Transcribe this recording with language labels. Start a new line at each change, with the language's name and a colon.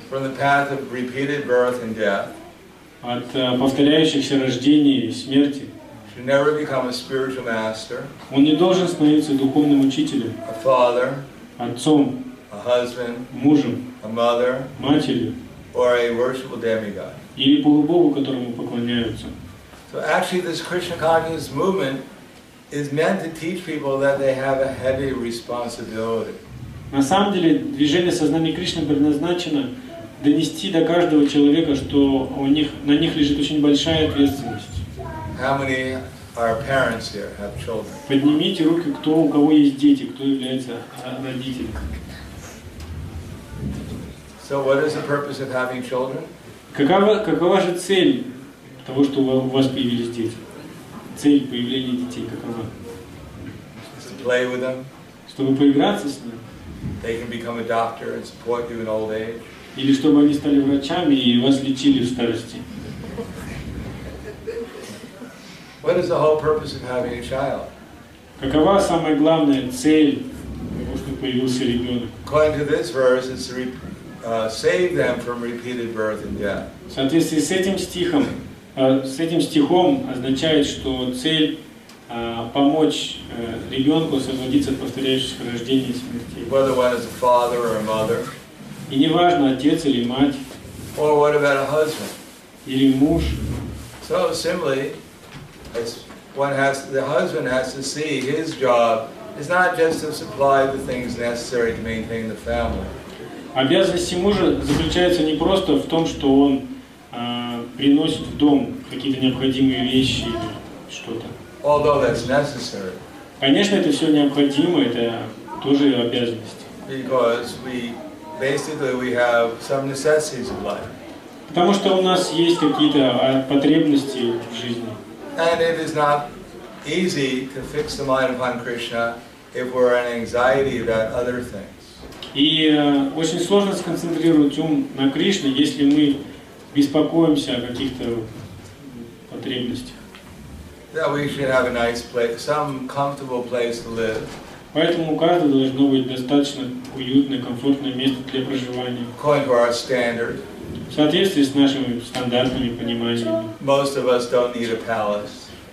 English: from the path of repeated birth and death,
Russian: от повторяющихся рождений и смерти,
English: should never become a spiritual master,
Russian: он не должен становиться духовным учителем,
English: a father,
Russian: отцом,
English: a husband,
Russian: мужем,
English: a mother,
Russian: матерью,
English: or a worshipful demigod,
Russian: или полубогу, которому поклоняются.
English: So actually, this Krishna consciousness movement is meant to teach people that they have a heavy responsibility.
Russian: На самом деле, движение сознания Кришны предназначено донести до каждого человека, что у них на них лежит очень большая ответственность.
English: How many are parents here? Have children?
Russian: Поднимите руки, кто у кого есть дети, кто является родителем.
English: So what is the purpose of having children?
Russian: Какова же цель того, что у вас появились дети? Цель появления детей какова?
English: To play with them.
Russian: Чтобы поиграться с ними.
English: They can become a doctor and support you in old age.
Russian: Или чтобы они стали врачами и вас лечили в старости.
English: What is the whole purpose of having a child?
Russian: Какова самая главная цель того, что появился ребенок?
English: According to this verse, it's save them from repeated birth and death.
Russian: В соответствии с этим стихом. С этим стихом означает, что цель помочь ребенку освободиться от повторяющихся рождений и смерти.
English: Whether one is a father or a mother.
Russian: И неважно, отец или мать.
English: Or what about a husband?
Russian: Или муж.
English: So similarly, the husband has to see his job is not just to supply the things necessary to maintain the family.
Russian: Обязанности мужа заключаются не просто в том, что он приносит в дом какие-то необходимые вещи или что-то.
English: Although that's necessary.
Russian: Конечно, это все необходимо, это тоже обязанность.
English: Because we have some necessities of life.
Russian: Потому что у нас есть какие-то потребности в жизни.
English: And it is not easy to fix the mind upon Krishna if we're in anxiety about other things.
Russian: И очень сложно сконцентрировать ум на Кришне, если мы беспокоимся о каких-то потребностях.
English: That we should have a nice place, some comfortable place to live.
Russian: Поэтому у каждого должно быть достаточно уютное, комфортное место для проживания.
English: According to our standard.
Russian: В соответствии с нашими стандартными пониманиями.
English: Most of us don't need a palace.